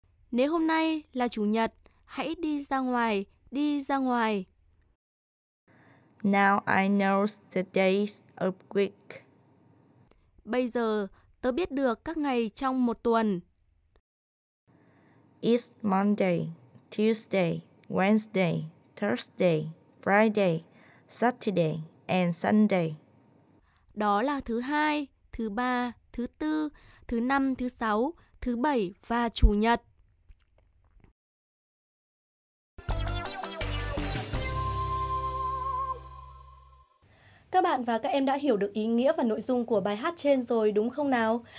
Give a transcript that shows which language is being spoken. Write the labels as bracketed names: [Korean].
[Vietnamese] Nếu hôm nay là chủ nhật, hãy đi ra ngoài, đi ra ngoài. [English] Now I know the days of week. [Vietnamese] Bây giờ tớ biết được các ngày trong một tuần. [English] It's Monday, Tuesday, Wednesday, Thursday, Friday, Saturday and Sunday. [Vietnamese] Đó là thứ hai, thứ ba, thứ tư, thứ năm, thứ sáu, thứ bảy và chủ nhật. Các bạn và các em đã hiểu được ý nghĩa và nội dung của bài hát trên rồi đúng không nào?